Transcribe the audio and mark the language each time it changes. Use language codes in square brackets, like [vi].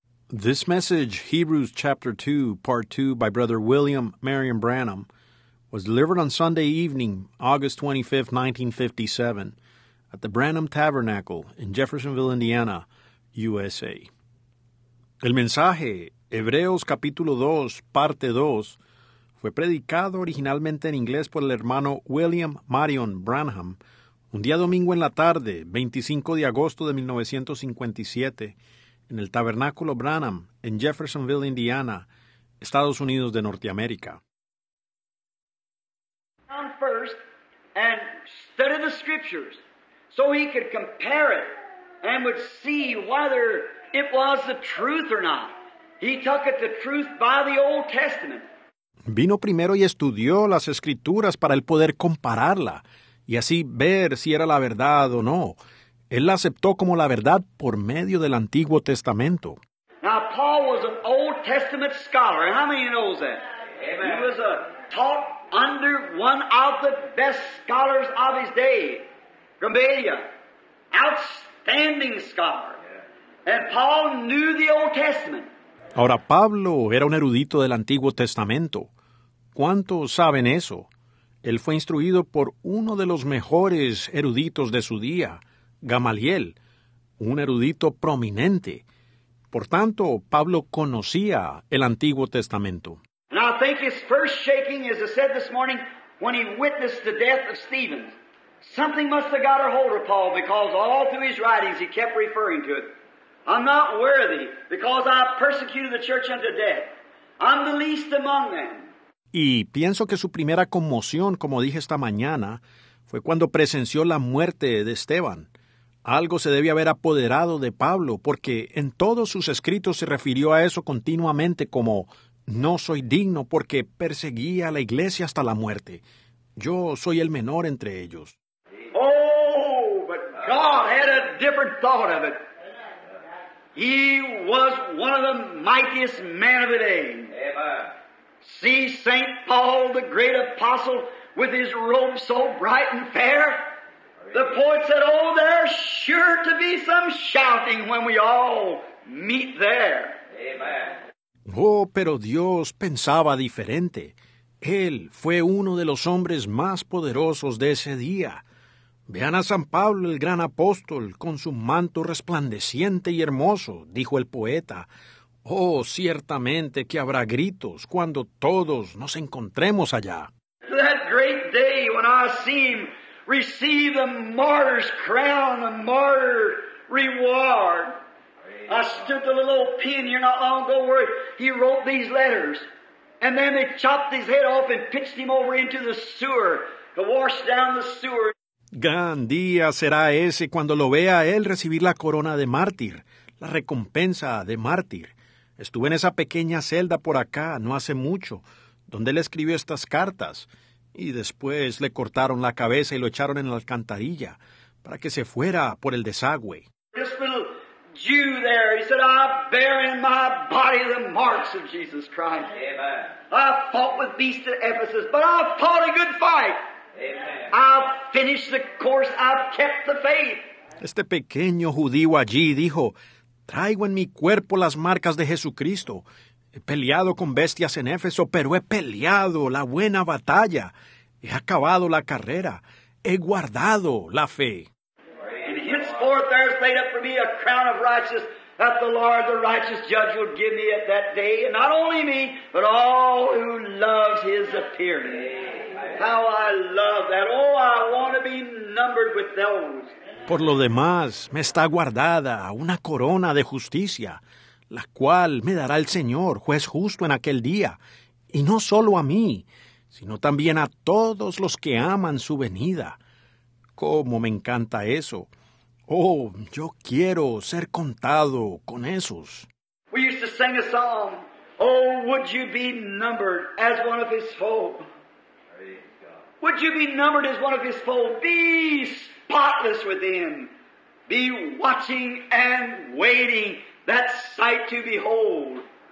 [en] This message, Hebrews chapter 2, part 2, by Brother William Marion Branham, was delivered on Sunday evening, August 25, 1957, at the Branham Tabernacle in Jeffersonville, Indiana, USA. [es] El mensaje, Hebreos capítulo 2, parte 2, fue predicado originalmente en inglés por el hermano William Marion Branham un día domingo en la tarde, 25 de agosto de 1957, en el Tabernáculo Branham, en Jeffersonville, Indiana, Estados Unidos de Norteamérica. [en] First and study the scriptures so he could compare it and would see whether it was the truth or not. He took it the truth by the Old Testament. [es] Vino primero y estudió las escrituras para él poder compararla y así ver si era la verdad o no. Él la aceptó como la verdad por medio del Antiguo Testamento. [en] Now, Paul was an Old Testament scholar. How many knows that? Amen. He was taught under one of the best scholars of his day, Gamaliel, outstanding scholar. And Paul knew the Old Testament. [es] Ahora, Pablo era un erudito del Antiguo Testamento. ¿Cuántos saben eso? Él fue instruido por uno de los mejores eruditos de su día, Gamaliel, un erudito prominente. Por tanto, Pablo conocía el Antiguo Testamento. [en] And I think his first shaking, as I said this morning, when he witnessed the death of Stephen. Something must have got a hold of Paul, because all through his writings he kept referring to it. I'm not worthy, because I persecuted the church unto death. I'm the least among them. [es] Y pienso que su primera conmoción, como dije esta mañana, fue cuando presenció la muerte de Esteban. Algo se debe haber apoderado de Pablo, porque en todos sus escritos se refirió a eso continuamente como, no soy digno porque perseguí a la iglesia hasta la muerte. Yo soy el menor entre ellos. [en] Oh, but God had a different thought of it. He was one of the mightiest men of the day. Amen. See St. Paul, the great apostle, with his robe so bright and fair. The poet said, oh, there's sure to be some shouting when we all meet there. Amen. [es] Oh, pero Dios pensaba diferente. Él fue uno de los hombres más poderosos de ese día. Vean a San Pablo, el gran apóstol, con su manto resplandeciente y hermoso, dijo el poeta. Oh, ciertamente que habrá gritos cuando todos nos encontremos allá. [en] That great day when I see him receive a martyr's crown, a martyr reward. I stood the little old pen here not long ago where he wrote these letters. And then they chopped his head off and pitched him over into the sewer to wash down the sewer. [es] Gran día será ese cuando lo vea a él recibir la corona de mártir, la recompensa de mártir. Estuve en esa pequeña celda por acá no hace mucho, donde él escribió estas cartas. Y después le cortaron la cabeza y lo echaron en la alcantarilla para que se fuera por el desagüe. [en] Jew there, he said, I bear in my body the marks of Jesus Christ. Amen. I fought with beasts at Ephesus, but I fought a good fight. Amen. I've finished the course, I've kept the faith. [es] Este pequeño judío allí dijo, traigo en mi cuerpo las marcas de Jesucristo. He peleado con bestias en Éfeso, pero he peleado la buena batalla. He acabado la carrera. He guardado la fe. [en] Henceforth there is laid up for me a crown of righteousness that the Lord, the righteous judge, will give me at that day. And not only me, but all who loves his appearing. How I love that. Oh, I want to be numbered with those. [es] Por lo demás, me está guardada una corona de justicia, la cual me dará el Señor, juez justo en aquel día. Y no solo a mí, sino también a todos los que aman su venida. ¡Cómo me encanta eso! Oh, yo quiero ser contado con esos. [en] We used to sing a song, oh, would you be numbered as one of his folk? Would you be numbered as one of his folk? Be spotless within. Be watching and waiting that sight to behold.